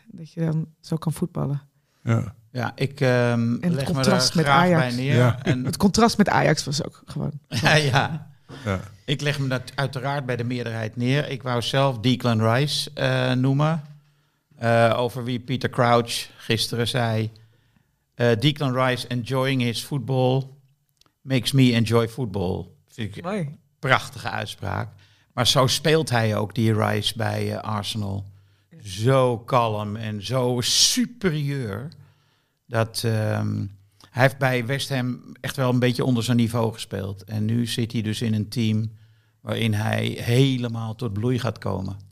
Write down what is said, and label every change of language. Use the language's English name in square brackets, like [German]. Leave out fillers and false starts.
[Dutch] Dat je dan zo kan voetballen. Ja. Ja, ik leg me daar graag met Ajax bij neer. Ja. Het contrast met Ajax was ook gewoon. Ja. Ik leg me dat uiteraard bij de meerderheid neer. Ik wou zelf Declan Rice noemen. Over wie Peter Crouch gisteren zei. [English] Declan Rice enjoying his football makes me enjoy football. [Dutch] Vind ik een prachtige uitspraak. Maar zo speelt hij ook, die Rice, bij Arsenal. Zo kalm en zo superieur. Dat hij heeft bij West Ham echt wel een beetje onder zijn niveau gespeeld. En nu zit hij dus in een team waarin hij helemaal tot bloei gaat komen.